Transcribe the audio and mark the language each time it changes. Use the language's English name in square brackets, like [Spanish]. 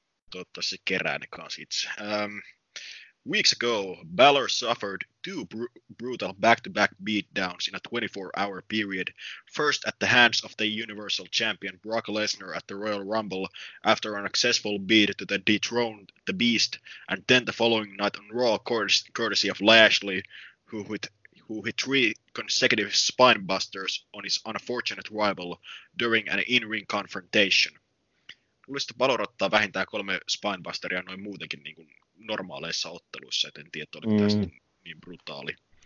[Finnish] Toivottavasti se kerää ne kanssa itse. [English] Weeks ago, Balor suffered 2 brutal back-to-back beatdowns in a 24-hour period, first at the hands of the Universal Champion Brock Lesnar at the Royal Rumble after an successful beat to the dethroned The Beast, and then the following night on Raw, courtesy of Lashley, who hit 3 consecutive spinebusters on his unfortunate rival during an in-ring confrontation. [Finnish] Luulisin, että Balor ottaa vähintään 3 spinebusteria noin muutenkin niin kuin normaaleissa otteluissa, et en tiedä, että oli tästä niin brutaali.